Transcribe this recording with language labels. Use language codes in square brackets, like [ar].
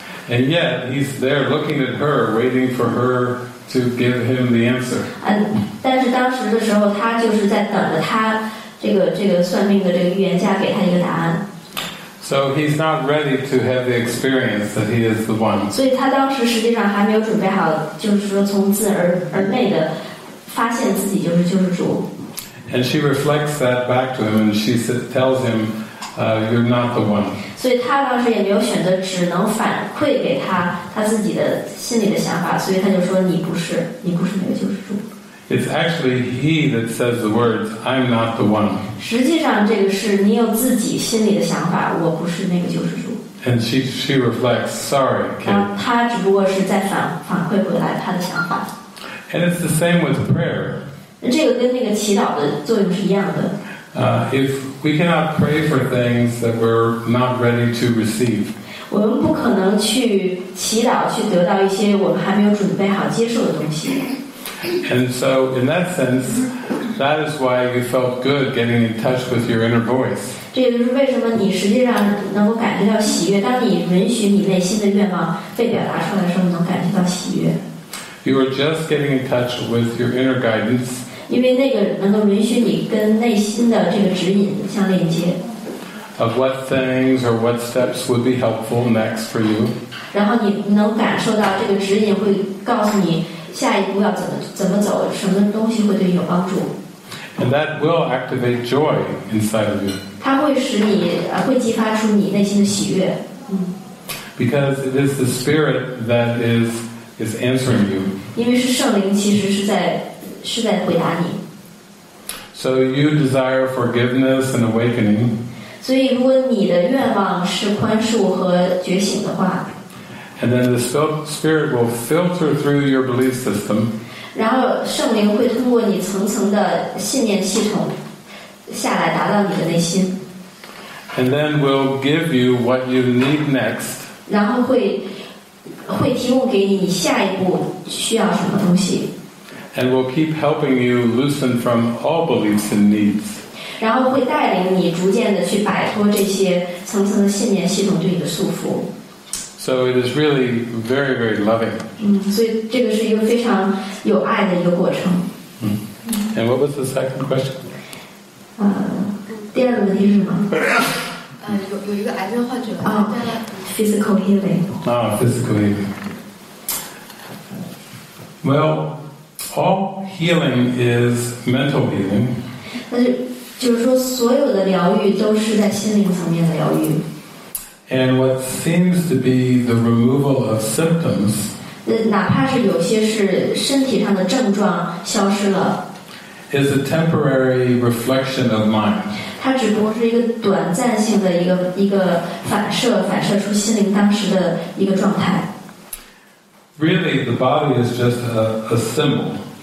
[en] And yet he's there looking at her, waiting for her to give him the answer. [zh] 但是当时的时候，他就是在等着他。这个算命的这个预言家给他一个答案。 [en] So he's not ready to have the experience that he is the one. [zh] 所以他当时实际上还没有准备好，就是说从自而内的发现自己就是救世主。 [en] And she reflects that back to him, and she tells him, "You're not the one." [zh] 所以他当时也没有选择，只能反馈给他自己的心里的想法，所以他就说你不是那个救世主。 [en] It's actually he that says the words, "I'm not the one." [zh] 实际上，这个是你有自己心里的想法，我不是那个救世主。 [en] And she reflects, "Sorry." [zh] 然后他只不过是在反馈回来他的想法。 [en] And it's the same with prayer. [zh] 这个跟那个祈祷的作用是一样的。 [en] If we cannot pray for things that we're not ready to receive. [zh] 我们不可能去祈祷去得到一些我们还没有准备好接受的东西。 [en] And so, in that sense, that is why you felt good getting in touch with your inner voice. [zh] 这也就是为什么你实际上能够感觉到喜悦。当你允许你内心的愿望被表达出来的时候，能感觉到喜悦。 [en] You are just getting in touch with your inner guidance. [zh] 因为那个能够允许你跟内心的这个指引相连接。 [en] Of what things or what steps would be helpful next for you? [zh] 然后你能感受到这个指引会告诉你。下一步要怎么走，什么东西会对你有帮助。 [en] And that will activate joy inside of you. [zh] 它会使你，会激发出你内心的喜悦。 [en] Because it is the spirit that is answering you. [zh] 因为是圣灵，其实是在回答你。 [en] So you desire forgiveness and awakening. [zh] 所以如果你的愿望是宽恕和觉醒的话， [en] And then the spirit will filter through your belief system. [zh] 然后圣灵会通过你层层的信念系统下来达到你的内心。 [en] And then we'll give you what you need next. [zh] 然后会提供给你下一步需要什么东西。 [en] And we'll keep helping you loosen from all beliefs and needs. [zh] 然后会带领你逐渐的去摆脱这些层层的信念系统对你的束缚。 [en] So it is really very, very loving. [zh] 所以这个是一个非常有爱的一个过程。 [en] And what was the second question? [zh] 第二个问题是什么？有一个癌症患者。 [en] Physical healing. Physical healing. Well, all healing is mental healing. [zh] 就是说，所有的疗愈都是在心灵层面的疗愈。 [en] And what seems to be the removal of symptoms, [zh] 哪怕是有些是身体上的症状消失了， [en] is a temporary reflection of mind. [zh] 它只不过是一个短暂性的一个反射出心灵当时的一个状态。 [en] Really, the body is just a symbol.